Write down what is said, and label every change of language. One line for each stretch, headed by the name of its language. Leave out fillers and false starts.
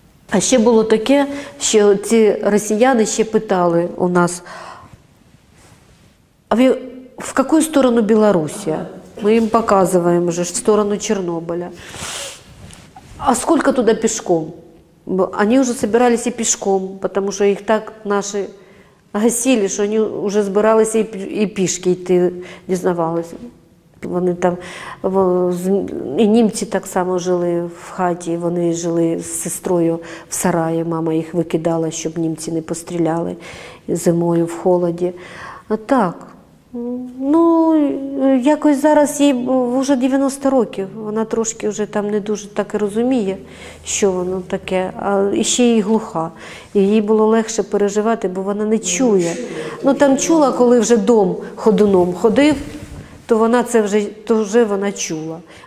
Ukrainian: А ще було таке, що ці росіяни ще питали у нас, а ви в яку сторону Білорусі? Ми їм показуємо вже, в сторону Чорнобиля.
Russian: А сколько туда пешком? Они уже собирались и пешком, потому что их так наши гасили, что они уже собирались и пешки идти, не знавалось. Они там, и немцы так само жили в хате, они жили с сестрой в сарае, мама их выкидала, чтобы немцы не постреляли зимой в холоде.
Ukrainian: А так, ну, якось зараз їй вже 90 років, вона трошки вже там не дуже так і розуміє, що воно таке, а ще й глуха. І їй було легше переживати, бо вона не чує. Ну, там чула, коли вже дом ходуном ходив, то вона це вже, то вже вона чула.